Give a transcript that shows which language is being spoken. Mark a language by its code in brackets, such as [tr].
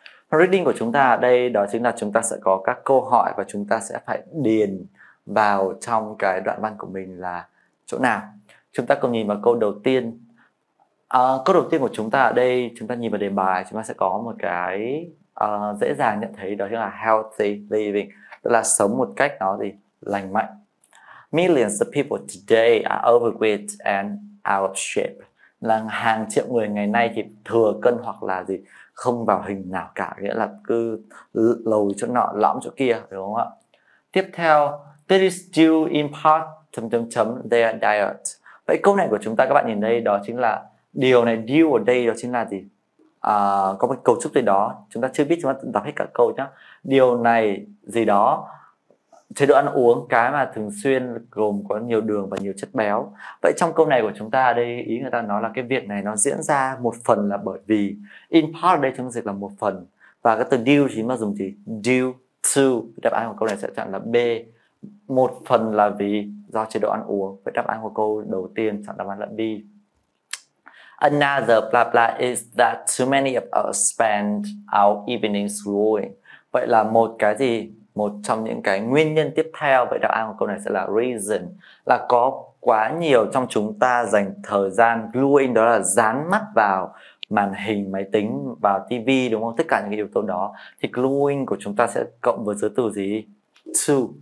[vi] Reading của chúng ta ở đây đó chính là chúng ta sẽ có các câu hỏi và chúng ta sẽ phải điền vào trong cái đoạn văn của mình là chỗ nào. Chúng ta cùng nhìn vào câu đầu tiên. Câu đầu tiên của chúng ta ở đây, chúng ta nhìn vào đề bài, chúng ta sẽ có một cái dễ dàng nhận thấy, đó chính là [en] healthy living, [vi] tức là sống một cách nó gì lành mạnh. [en] Millions of people today are overweight and out of shape. [vi] Là hàng triệu người ngày nay thì thừa cân hoặc là gì không vào hình nào cả, nghĩa là cứ lồi chỗ nọ lõm chỗ kia, đúng không ạ? Tiếp theo, [en] this is due in part their diet. [vi] Vậy câu này của chúng ta, các bạn nhìn đây, đó chính là điều này, due ở đây đó chính là gì? Có một cấu trúc gì đó, chúng ta chưa biết, chúng ta đọc hết cả câu nhá. Điều này gì đó, chế độ ăn uống, cái mà thường xuyên gồm có nhiều đường và nhiều chất béo. Vậy trong câu này của chúng ta đây, ý người ta nói là cái việc này nó diễn ra một phần là bởi vì, in part đây chúng ta dịch là một phần, và cái từ due chính là dùng gì? Due to. Đáp án của câu này sẽ chọn là B, một phần là vì do chế độ ăn uống. Vậy đáp án của câu đầu tiên chọn đáp án là B. [en] Another blah blah is that too many of us spend our evenings scrolling. [vi] Vậy là một cái gì? Một trong những cái nguyên nhân tiếp theo. Vậy đáp án của câu này sẽ là reason, là có quá nhiều trong chúng ta dành thời gian gluing, đó là dán mắt vào màn hình máy tính, vào TV, đúng không? Tất cả những cái yếu tố đó thì gluing của chúng ta sẽ cộng với giới từ gì? To.